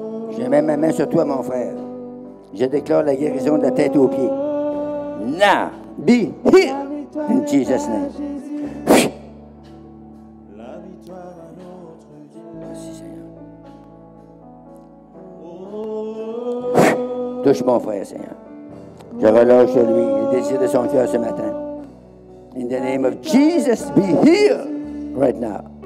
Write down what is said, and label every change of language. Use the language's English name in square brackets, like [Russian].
[French] Je mets ma main sur toi, mon frère. Je déclare la guérison de la tête aux pieds. [English] Now, be here in Jesus' name. [French] Touche mon frère, Seigneur. Je relâche à lui le désir de son cœur ce matin. [English] In the name of Jesus, be here right now.